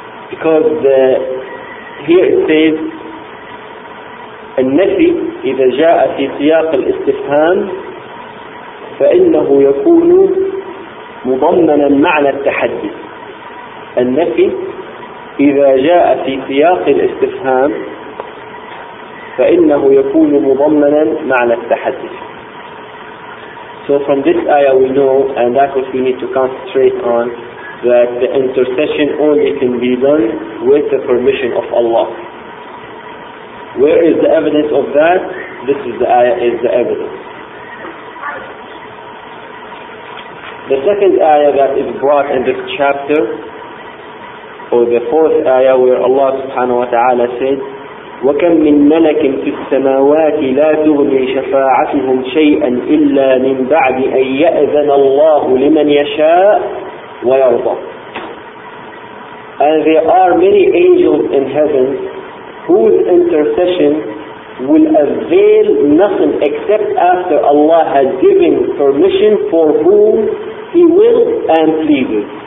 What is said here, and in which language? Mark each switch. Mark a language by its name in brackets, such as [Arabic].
[English] Because here it says [Arabic] النفي إذا جاء في سياق الاستفهام فإنه يكون مضمنا معنى التحدي. النفي إذا جاء في سياق الاستفهام فإنه يكون مضمنا معنى التحدي. [English] So from this ayah we know, and that's what we need to concentrate on, that the intercession only can be done with the permission of Allah. Where is the evidence of that? This is the ayah, is the evidence. The second ayah that is brought in this chapter, the fourth ayah where Allah subhanahu wa ta'ala said, [Arabic] وَكَمْ مِنْ مَلَكٍ فِي السَّمَاوَاتِ لَا تُغْنِي شَفَاعَتُهُمْ شَيْئًا إِلَّا مِنْ بَعْدِ أَنْ يَأْذَنَ اللَّهُ لِمَنْ يَشَاءُ وَيَرْضَى. [English] And there are many angels in heaven whose intercession will avail nothing except after Allah has given permission for whom He will and pleases.